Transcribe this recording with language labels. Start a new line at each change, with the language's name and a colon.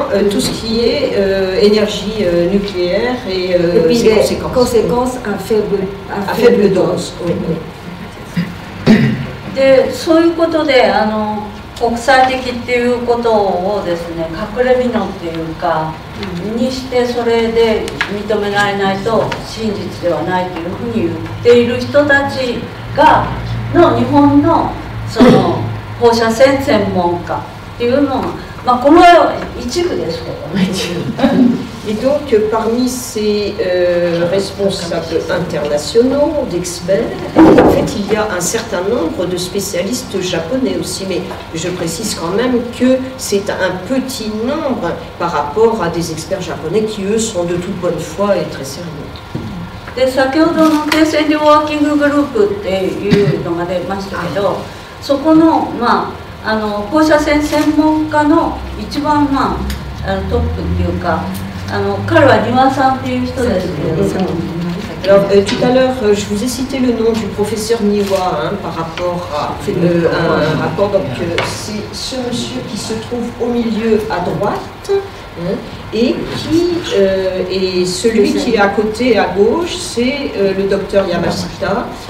French: Tout ce qui est énergie nucléaire et puis ses conséquences. Conséquences à faible dose. Oui. Oui.
Japanese: でそういうことで国際的っていうことをですね隠れ蓑っていうかにしてそれで認められないと真実ではないというふうに言っている人たちがの日本のその放射線専門家っていうのが、まあ、この一部ですけどね。
French: Et donc, parmi ces responsables internationaux, d'experts, en fait, il y a un certain nombre de spécialistes japonais aussi, mais je précise quand même que c'est un petit nombre par rapport à des experts japonais qui, eux, sont de toute bonne foi et très sérieux.
Japanese: De 先ほどの停戦でワーキンググループっていうのが出ましたけど、そこの、まあ、放射線専門家の一番、まあ、トップっていうか、
French: Alors, tout à l'heure, je vous ai cité le nom du professeur Niwa hein, par rapport à un rapport. Donc, c'est ce monsieur qui se trouve au milieu à droite et qui est celui qui est à côté à gauche, c'est le docteur Yamashita.